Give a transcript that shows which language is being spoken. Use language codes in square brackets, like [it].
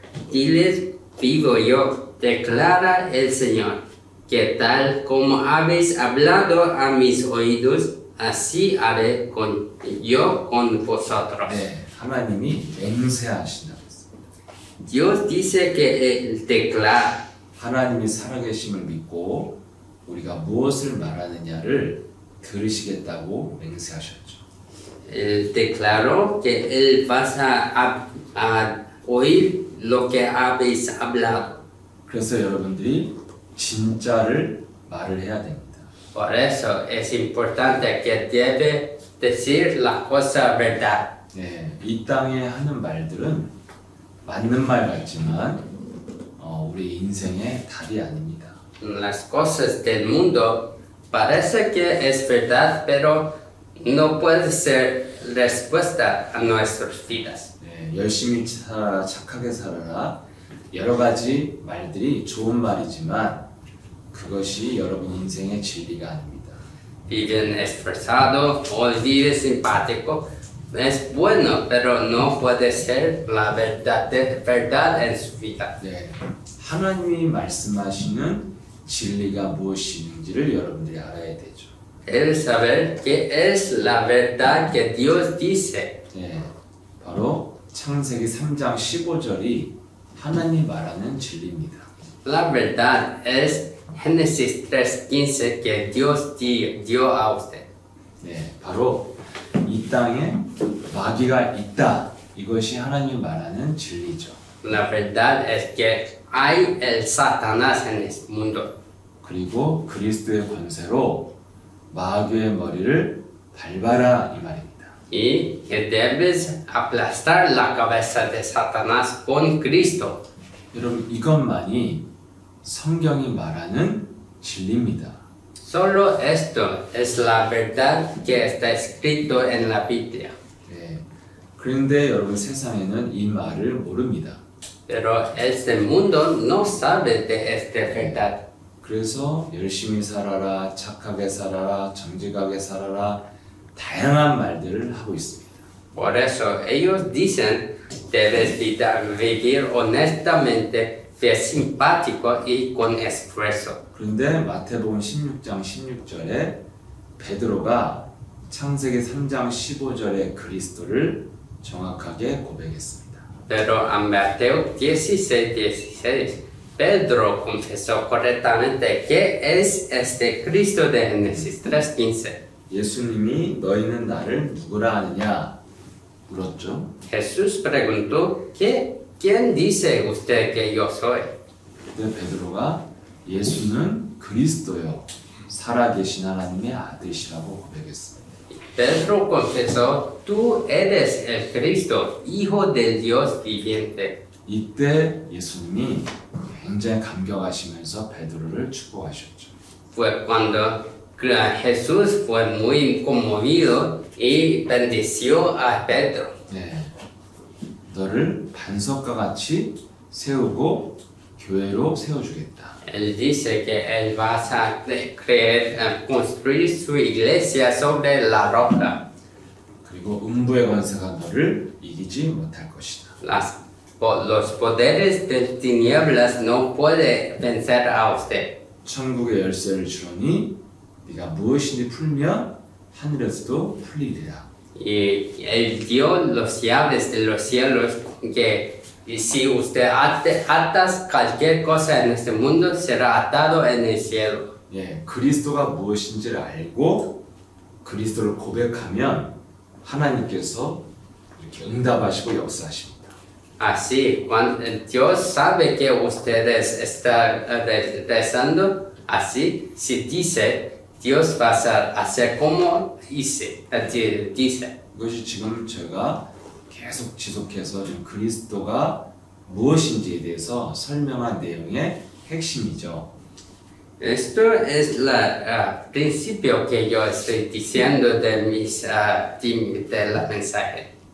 [es] Diles, vivo yo, declara el Señor, que tal como habéis hablado a mis oídos, así haré con yo con vosotros. [ko] 네, 하나님이 맹세하신다고 [es] Dios dice que él declara. [ko] 하나님이 살아계심을 믿고 우리가 무엇을 말하느냐를 들으시겠다고 맹세하셨죠. [es] Él declaró que él va a oír lo que habéis hablado. [ko] 그래서 여러분들이 진짜를 말을 해야 됩니다. [es] Por eso es importante que debe decir la cosa verdad. [ko] 네, 이 땅에 하는 말들은 맞는 말 같지만 우리 인생의 답이 아닙니다. [es] Las cosas del mundo parece que es verdad, pero no puede ser respuesta a nuestras vidas. [ko] 네, 열심히 살아라, 착하게 살아라. 여러 가지 말들이 좋은 말이지만 그것이 여러분 인생의 진리가 아닙니다. [es] Viven esforzado, o viven simpático, Es bueno, pero no puede ser la verdad, verdad en su vida. [ko] 네. 하나님이 말씀하시는 진리가 무엇인지를 여러분들이 알아야 되죠. [es] El saber que es la verdad que Dios dice. [ko] 네. 바로 창세기 3장 15절이 하나님 말하는 진리입니다. [es] La verdad es Génesis 3:15 que Dios dio a usted. [ko] 네. 바로 이 땅에 마귀가 있다. 이것이 하나님 말하는 진리죠. [es] La verdad es que hay el Satanás en este mundo. [ko] 그리고 그리스도의 권세로 마귀의 머리를 밟아라 이 말입니다. [es] Y que debes aplastar la cabeza de Satanás con Cristo. [ko] 여러분 이것만이 성경이 말하는 진리입니다. [es] Solo esto es la verdad que está escrito en la Biblia. [ko] 네. 그런데 여러분 세상에는 이 말을 모릅니다. [es] Pero este mundo no sabe de esta verdad. [ko] 그래서 열심히 살아라, 착하게 살아라, 정직하게 살아라 다양한 말들을 하고 있습니다. [es] Por eso ellos dicen debes vivir honestamente, ser simpático y con esfuerzo. [ko] 그런데 마태복음 16장 16절에 베드로가 창세기 3장 15절에 그리스도를 정확하게 고백했습니다. [es] Pero a Mateo 16:16 Pedro confesó correctamente que es este Cristo de Génesis 3:15. [ko] 예수님이 너희는 나를 누구라 하느냐 물었죠. [es] Jesús preguntó que quién dice usted que yo soy. [ko] 그때 베드로가 예수는 그리스도요 살아계신 하나님의 아들이시라고 고백했습니다. [es] Pedro confesó tú eres el Cristo, hijo de Dios viviente. [ko] 이때 예수님이 굉장히 감격하시면서 베드로를 축복하셨죠. [es] Fue cuando Jesús fue muy conmovido y bendició a Pedro. [ko] 네, 너를 반석과 같이 세우고 교회로 세워주겠다. [es] Él dice que él va a creer, construir su iglesia sobre la roca. [ko] 그리고 음부의 권세가 너를 이기지 못할 것이다. [es] Los poderes de tinieblas no puede vencer a usted. [ko] 천국의 열쇠를 주니 네가 무엇이니 풀면 하늘에서도 풀리리라. [es] Y él dio las llaves de los cielos que si usted atas cualquier cosa en este mundo será atado en el cielo. [ko] 예, 그리스도가 무엇인지를 알고 그리스도를 고백하면 하나님께서 이렇게 응답하시고 역사하십니다. [es] Así, cuando Dios sabe que ustedes están rezando, así, si dice, Dios va a hacer como dice. [ko] 이것이 지금 제가 계속 지속해서 지금 그리스도가 무엇인지에 대해서 설명한 내용의 핵심이죠. [es] Esto es la principio que yo estoy diciendo de mis de la mensaje.